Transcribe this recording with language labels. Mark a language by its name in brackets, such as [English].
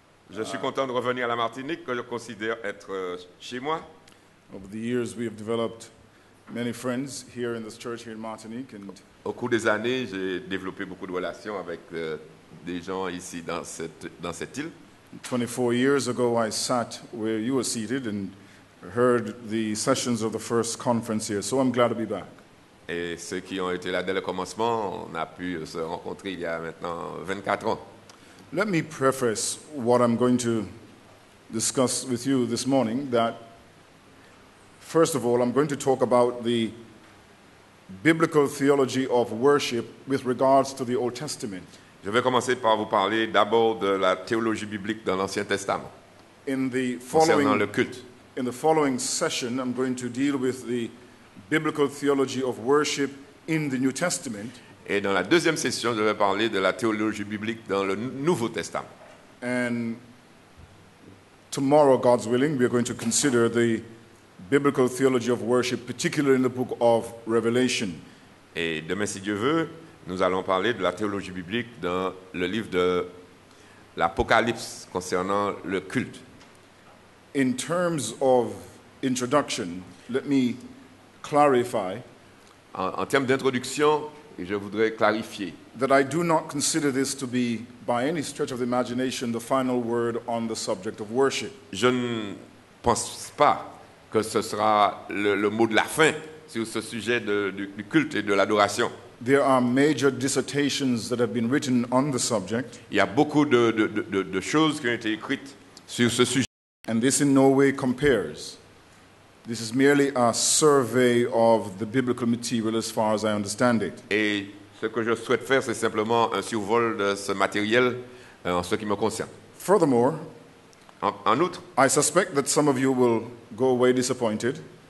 [French] Je suis content de revenir à la Martinique, que je considère être chez moi. [English] Over the years, we have developed many friends here in this church here in Martinique. And [French] au cours des années, j'ai développé beaucoup de relations avec des gens ici dans cette île. [English] 24 years ago, I sat where you were seated and heard the sessions of the first conference here. So I'm glad to be back. [French] Et ceux qui ont été là dès le commencement, on a pu se rencontrer il y a maintenant 24 ans. [English] Let me preface what I'm going to discuss with you this morning, that first of all, I'm going to talk about the biblical theology of worship with regards to the Old Testament. [French] Je vais commencer par vous parler d'abord de la théologie biblique dans l'Ancien Testament. Concernant le culte. [English] In the following session, I'm going to deal with the biblical theology of worship in the New Testament. [French] Et dans la deuxième session, je vais parler de la théologie biblique dans le Nouveau Testament. [English] And tomorrow, God's willing, we are going to consider the biblical theology of worship, particularly in the book of Revelation. [French] Et demain, si Dieu veut, nous allons parler de la théologie biblique dans le livre de l'Apocalypse concernant le culte. [English] In terms of introduction, let me clarify. [French] En termes d'introduction, et je voudrais clarifier [English] that I do not consider this to be, by any stretch of the imagination, the final word on the subject of worship. [French] Je ne pense pas que ce sera le mot de la fin sur ce sujet du culte et de l'adoration. [English] There are major dissertations that have been written on the subject. [French] Il y a beaucoup de choses qui ont été écrites sur ce sujet. [English] And this in no way compares. This is merely a survey of the biblical material as far as I understand it. [French] Et ce que je souhaite faire, c'est simplement un survol de ce matériel en ce qui me concerne. [English] Furthermore, [French] en outre, [English] I suspect that some of you will go away disappointed.